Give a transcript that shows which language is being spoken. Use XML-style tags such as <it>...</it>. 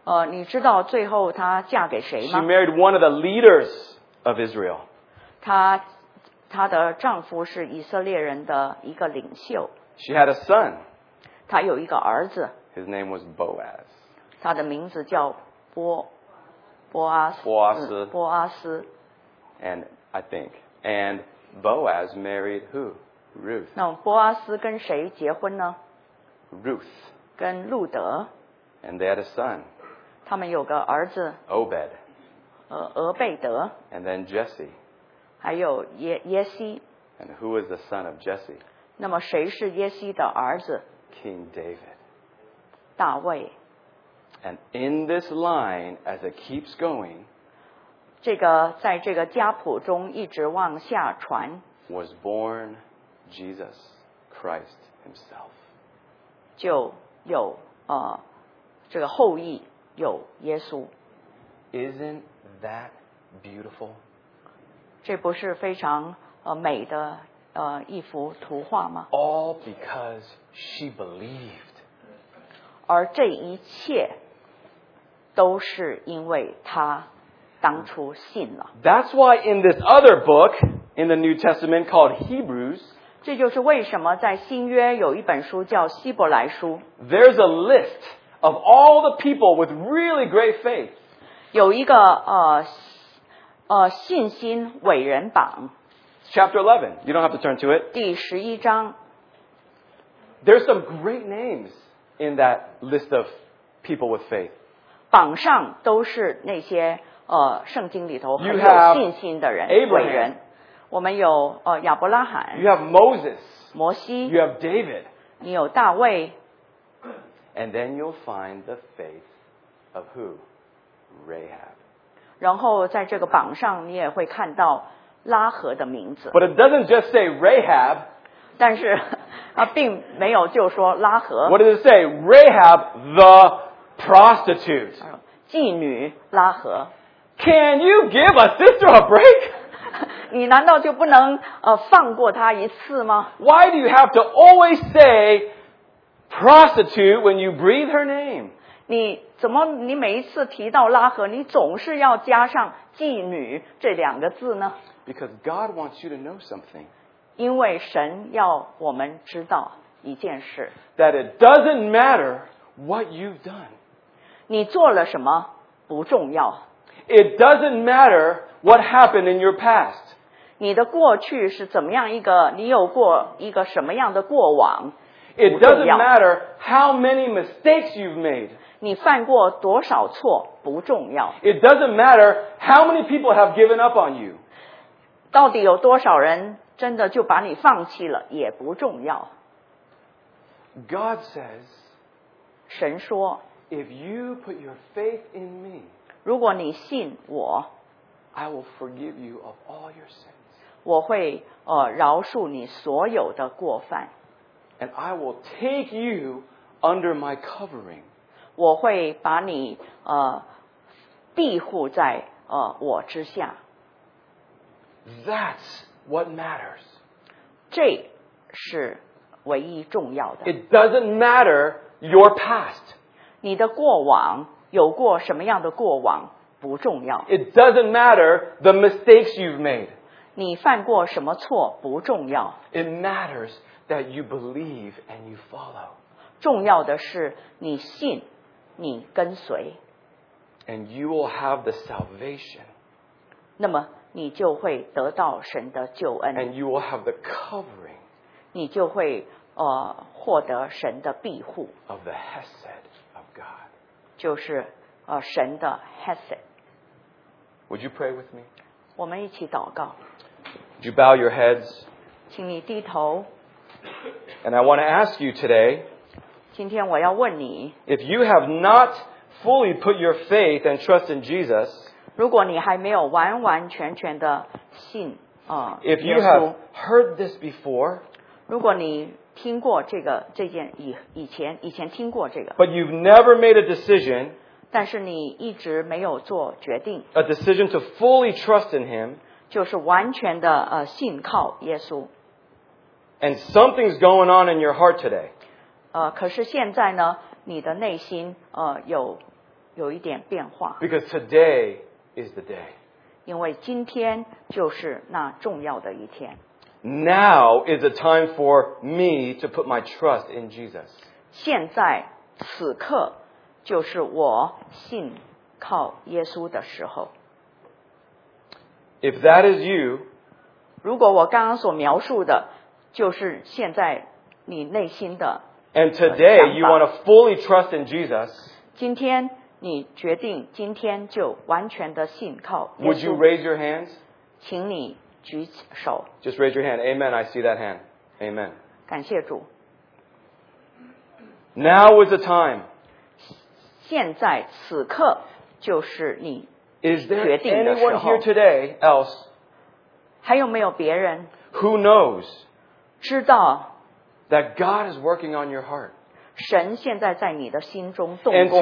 <zh>你知道最后她嫁给谁吗？</zh> <en>She married one of the leaders of Israel.</en> <zh>她的丈夫是以色列人的一个领袖。</zh> <en>She had a son.</en> <zh>他有一个儿子。</zh> <en>His name was Boaz.</en> <zh>他的名字叫波阿斯。波阿斯。波阿斯。</zh> <en>And I think. And Boaz married who? Ruth.</en> <zh>那波阿斯跟谁结婚呢？</zh> <en>Ruth.</en> <zh>跟路德。</zh> <en>And they had a son.</en> <zh>他们有个儿子。</zh> <en>Obed.</en> <zh>俄贝德。</zh> <en>And then Jesse.</en> <zh>还有耶西。</zh> <en>And who was the son of Jesse?</en> <zh>那么谁是耶西的儿子？</zh> <en>King David.</en> <zh>大卫。</zh> <en>And in this line, as it keeps going,</en> <zh>这个在这个家谱中一直往下传。</zh> <en>Was born Jesus Christ himself.</en> <zh>就有这个后裔有耶稣。</zh> <en>Isn't that beautiful?</en> <zh>这不是非常美的一幅图画吗？</zh> <en>All because she believed.</en> <zh>而这一切都是因为她当初信了。</zh> <en>That's why in this other book in the New Testament called Hebrews,</en> <zh>这就是为什么在新约有一本书叫希伯来书。</zh> <en>There's a list of all the people with really great faith.</en> <zh>有一个信心伟人榜。</zh> <en>Chapter 11. You don't have to turn to it.</en> <zh>第十一章。</zh> <en>There's some great names in that list of people with faith.</en> <zh>榜上都是那些圣经里头很有信心的人，伟人。我们有亚伯拉罕。</zh> <en>You have Moses.</en> <zh>摩西。</zh> <en>You have David.</en> <zh>你有大卫。</zh> <en>And then you'll find the faith of who? Rahab.</en> <zh>然后在这个榜上你也会看到拉合的名字。</zh> <en>But it doesn't just say Rahab.</en> <zh>但是它并没有就说拉合。</zh> <en>What does it say? Rahab the prostitute.</en> <zh>妓女拉合。</zh> <en>Can you give a sister a break?</en> <zh>你难道就不能放过她一次吗？</zh> <en>Why do you have to always say prostitute when you breathe her name?</en> <zh>你怎么你每一次提到拉合你总是要加上妓女这两个字呢？</zh> <en>Because God wants you to know something.</en> <zh>因为神要我们知道一件事。</zh> <en>That it doesn't matter what you've done.</en> <zh>你做了什么不重要。</zh> <en>It doesn't matter what happened in your past.</en> <zh>你的过去是怎么样一个，你有过一个什么样的过往。</zh> <en>It doesn't matter how many mistakes you've made.</en> <zh>你犯过多少错不重要。</zh> <en>It doesn't matter how many people have given up on you.</en> <zh>到底有多少人真的就把你放弃了也不重要。</zh> <en>God says,</en> <zh>神说</zh> <en>If you put your faith in me,</en> <zh>如果你信我</zh> <en>I will forgive you of all your sins.</en> <zh>我会饶恕你所有的过犯。</zh> <en>And I will take you under my covering.</en> <zh>我会把你庇护在我之下。</zh> <en>That's what matters.</en> <zh>这是唯一重要的。</zh> <en>It doesn't matter your past.</en> <zh>你的过往有过什么样的过往不重要。</zh> <en>It doesn't matter the mistakes you've made.</en> <zh>你犯过什么错不重要。</zh> <en>It matters that you believe and you follow.</en> <zh>重要的是你信，你跟随。</zh> <en>And you will have the salvation.</en> <zh>那么你就会得到神的救恩。</zh> <en>And you will have the covering.</en> <zh>你就会获得神的庇护。</zh> <en>Of the hesed of God.</en> <zh>就是神的 hesed.</zh> <en>Would you pray with me?</en> <zh>我们一起祷告。</zh> <en>Would you bow your heads?</en> <zh>请你低头。</zh> <en>And I want to ask you today.</en> <zh>今天我要问你。</zh> <en>If you have not fully put your faith and trust in Jesus.</en> <zh>如果你还没有完完全全的信</zh> <en>If you have heard this before,</en> <zh>如果你听过这个这件以前听过这个</zh> <en>But you've never made a decision,</en> <zh>但是你一直没有做决定</zh> <en>A decision to fully trust in him,</en> <zh>就是完全的信靠耶稣</zh> <en>And something's going on in your heart today,</en> <zh>可是现在呢你的内心有一点变化</zh> <en>Because todayIs the day.</en> <zh>因为今天就是那重要的一天。</zh> <en>Now is the time for me to put my trust in Jesus.</en> <zh>现在此刻就是我信靠耶稣的时候。</zh> <en>If that is you,</en> <zh>如果我刚刚所描述的就是现在你内心的想法。</zh> <en>And today you want to fully trust in Jesus.</en> <zh>今天你决定今天就完全的信靠耶稣。</zh> <en>Would you raise your hands?</en> <zh>请你举手。</zh> <en>Just raise your hand. Amen. I see that hand. Amen.</en> <zh>感谢主。</zh> <en>Now is the time.</en> <zh>现在此刻就是你决定的时候。</zh> <en>Is there anyone here today else?</en> <zh>还有没有别人</zh> <en>who knows</en> <zh>知道</zh> <en>that God is working on your heart?</en> <zh>神现在在你的心中动工。</zh>